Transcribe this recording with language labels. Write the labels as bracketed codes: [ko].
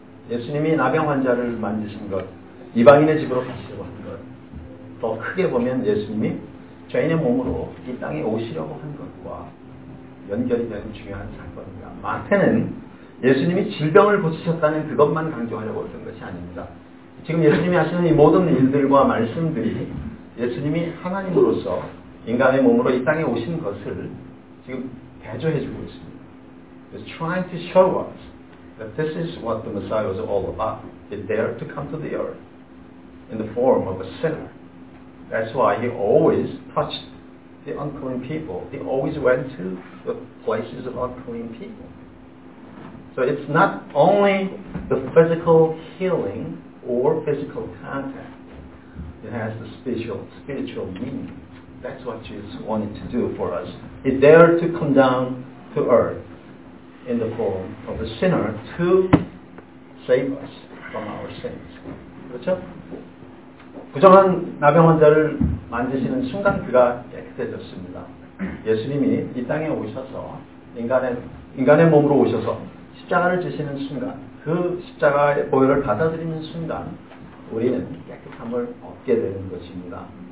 [ko] 예수님이 나병 환자를 만지신 것, 이방인의 집으로 가시려고 한 것, 더 크게 보면 예수님이 죄인의 몸으로 이 땅에 오시려고 한 것과 연결이 되는 중요한 사건입니다. 마태는 예수님이 질병을 고치셨다는 그것만 강조하려고 했던 것이 아닙니다. 지금 예수님이 하시는 이 모든 일들과 말씀들이 예수님이 하나님으로서 인간의 몸으로 이 땅에 오신 것을 지금 대조해주고 있습니다. [en] He's trying to show us that this is what the Messiah was all about. He dared to come to the earth in the form of a sinner. That's why he always touched the unclean people. He always went to the places of unclean people. So it's not only the physical healing or physical contact. It has the spiritual meaning. That's what Jesus wanted to do for us. He dared to come down to earth in the form of a sinner to save us from our sins. [ko] 그렇죠? 부정한 나병 환자를 만지시는 순간 그가 깨끗해졌습니다. 예수님이 이 땅에 오셔서 인간의 몸으로 오셔서 십자가를 지시는 순간 그 십자가의 보혈을 받아들이는 순간 우리는 깨끗함을 얻게 되는 것입니다.